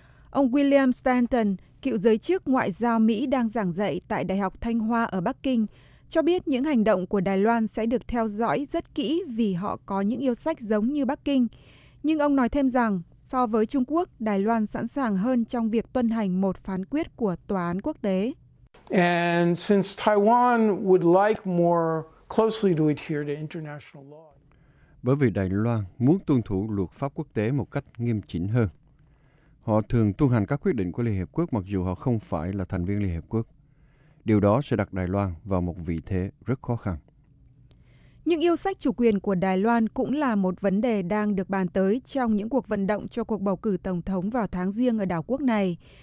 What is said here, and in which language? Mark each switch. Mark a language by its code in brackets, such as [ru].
[vi] Ông William Stanton, cựu giới chức ngoại giao Mỹ đang giảng dạy tại Đại học Thanh Hoa ở Bắc Kinh, cho biết những hành động của Đài Loan sẽ được theo dõi rất kỹ vì họ có những yêu sách giống như Bắc Kinh. Nhưng ông nói thêm rằng, so với Trung Quốc, Đài Loan sẵn sàng hơn trong việc tuân hành một phán quyết của Tòa án Quốc tế. [en] And since Taiwan would like more closely to adhere to international law. [vi] Bởi vì Đài Loan muốn tuân thủ luật pháp quốc tế một cách nghiêm chỉnh hơn. Họ thường tuân hành các quyết định của Liên Hiệp Quốc mặc dù họ không phải là thành viên Liên Hiệp Quốc. Điều đó sẽ đặt Đài Loan vào một vị thế rất khó khăn. Những yêu sách chủ quyền của Đài Loan cũng là một vấn đề đang được bàn tới trong những cuộc vận động cho cuộc bầu cử Tổng thống vào tháng Giêng ở đảo quốc này.